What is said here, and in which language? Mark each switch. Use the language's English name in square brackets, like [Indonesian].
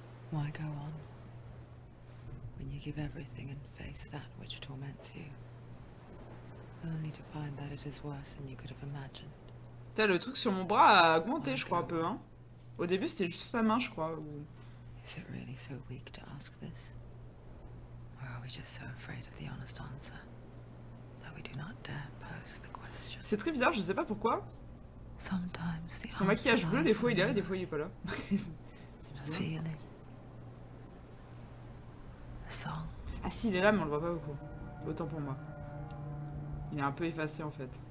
[English] Why go on? When you give everything and face that which torments you, only to find that it is worse than you could have imagined. [French] T'as le truc sur mon bras a augmenté, je crois un peu, hein. Au début, c'était juste la main, je crois. [English] Is it really so weak to ask this? Or are we just so afraid of the honest answer that we do not dare pose the question? [French] C'est très bizarre, je sais pas pourquoi. [English] Sometimes the [French] son maquillage bleu, des fois il est là, des fois il est pas là. C'est bizarre. Feeling. Ah si, il est là, mais on le voit pas beaucoup. Autant pour moi. Il est un peu effacé, en fait.